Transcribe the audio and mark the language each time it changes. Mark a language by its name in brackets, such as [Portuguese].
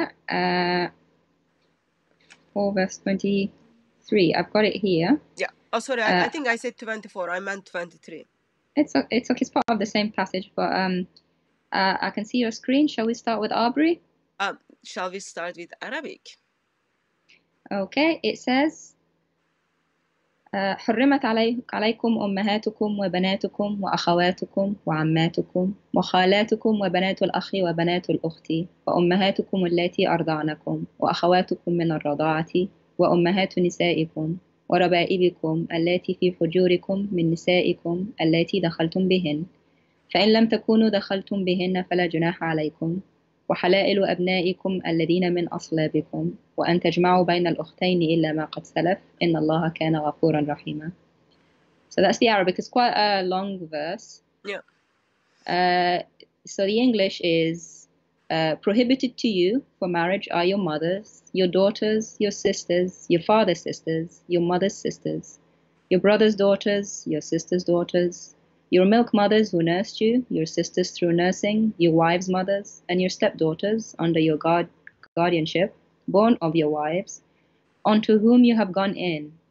[English] Yeah, 4, verse 23. I've got it here. Yeah. Oh, sorry, I think I said 24. I meant 23. It's okay. It's part of the same passage, but I can see your screen. Shall we start with Aubrey? Shall we start with Arabic? Okay, it says, [Arabic] حرمت عليكم أمهاتكم وبناتكم وأخواتكم وعماتكم وخالاتكم وبنات الأخ وبنات الأخت وأمهاتكم التي أرضعنكم وأخواتكم من الرضاعة وأمهات نسائكم وربائبكم التي في فجوركم من نسائكم التي دخلتم بهن فإن لم تكونوا دخلتم بهن فلا جناح عليكم وحلائل أبنائكم الذين من أصلابكم وأن تجمعوا بين الأختين إلا ما قد سلف إن الله كان غفورا رحيما. [English] So that's the Arabic. It's quite a long verse. Yeah. So the English is prohibited to you for marriage are your mothers, your daughters, your sisters, your father's sisters, your mother's sisters, your brother's daughters, your sister's daughters, your milk mothers who nursed you, your sisters through nursing, your wives' mothers, and your stepdaughters under your guardianship, born of your wives, onto whom you have gone in.